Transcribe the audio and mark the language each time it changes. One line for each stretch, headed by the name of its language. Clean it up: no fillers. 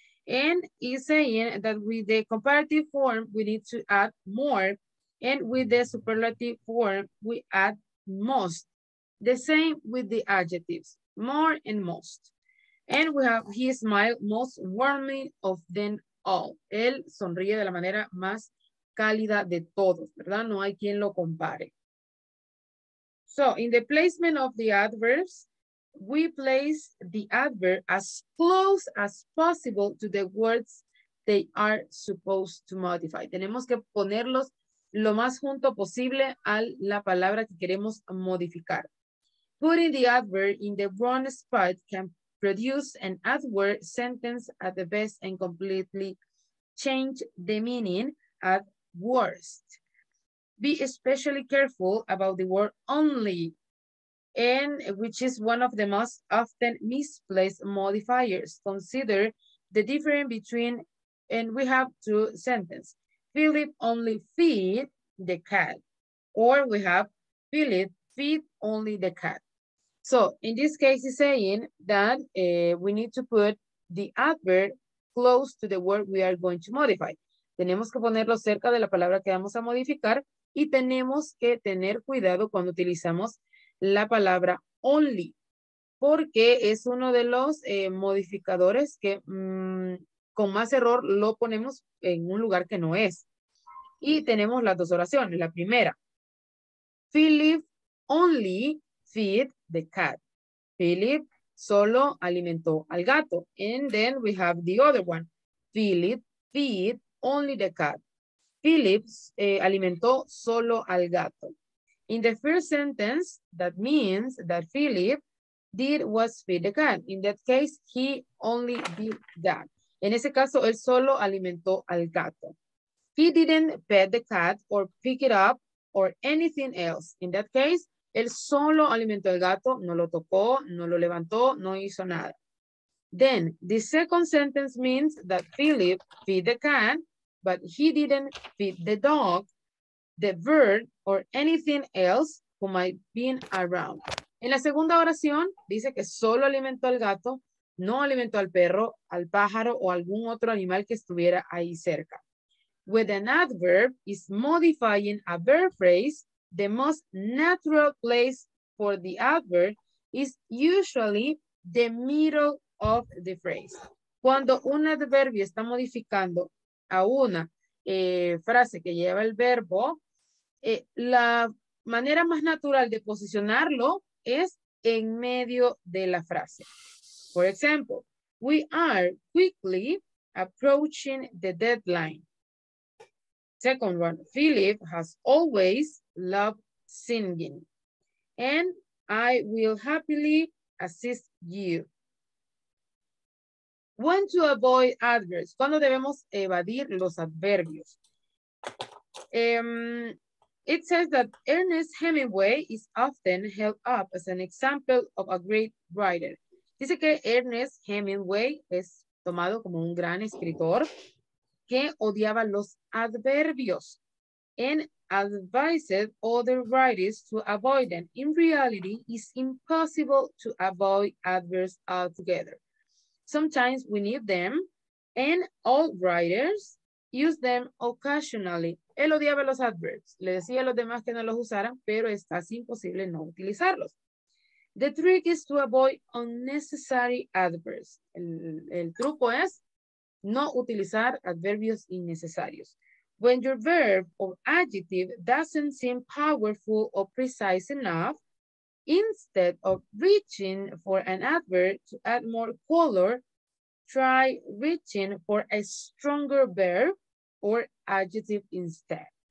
English: And he's saying that with the comparative form, we need to add more, and with the superlative form, we add most. The same with the adjectives, more and most. And we have, he smiled most warmly of them all.
Spanish: Él sonríe de la manera más cálida de todos, ¿verdad? No hay quien lo compare.
English: So, in the placement of the adverbs, we place the adverb as close as possible to the words they are supposed to modify.
Spanish: Tenemos que ponerlos lo más junto posible a la palabra que queremos modificar.
English: Putting the adverb in the wrong spot can produce an adverb sentence at the best and completely change the meaning at worst. Be especially careful about the word only, and which is one of the most often misplaced modifiers. Consider the difference between, and we have two sentences. Philip only feed the cat, or we have Philip feed only the cat. So in this case, he's saying that we need to put the adverb close to the word we are going to modify.
Spanish: Tenemos que ponerlo cerca de la palabra que vamos a modificar. Y tenemos que tener cuidado cuando utilizamos la palabra only, porque es uno de los modificadores que con más error lo ponemos en un lugar que no es. Y tenemos las dos oraciones. La primera,
English: Philip only feed the cat.
Spanish: Philip solo alimentó al gato.
English: And then we have the other one, Philip feed only the cat.
Spanish: Phillips alimentó solo al gato.
English: In the first sentence, that means that Philip did was feed the cat. In that case, he only did that.
Spanish: En ese caso, él solo alimentó al gato.
English: He didn't pet the cat or pick it up or anything else. In that case,
Spanish: él solo alimentó al gato, no lo tocó, no lo levantó, no hizo nada.
English: Then, the second sentence means that Philip feed the cat, but he didn't feed the dog, the bird, or anything else who might be around.
Spanish: En la segunda oración, dice que solo alimentó al gato, no alimentó al perro, al pájaro, o algún otro animal que estuviera ahí cerca.
English: When an adverb is modifying a verb phrase, the most natural place for the adverb is usually the middle of the phrase.
Spanish: Cuando un adverbio está modificando a una frase que lleva el verbo, la manera más natural de posicionarlo es en medio de la frase.
English: For example, we are quickly approaching the deadline. Second one, Philip has always loved singing. And I will happily assist you. When to avoid adverbs,
Spanish: ¿cuándo debemos evadir los adverbios?
English: It says that Ernest Hemingway is often held up as an example of a great writer.
Spanish: Dice que Ernest Hemingway es tomado como un gran escritor que odiaba los adverbios
English: and advised other writers to avoid them. In reality, it's impossible to avoid adverbs altogether. Sometimes we need them, and all writers use them occasionally.
Spanish: Él odiaba los adverbs. Le decía a los demás que no los usaran, pero es casi imposible no utilizarlos.
English: The trick is to avoid unnecessary adverbs.
Spanish: El truco es no utilizar adverbios innecesarios.
English: When your verb or adjective doesn't seem powerful or precise enough, instead of reaching for an adverb to add more color, try reaching for a stronger verb or adjective instead.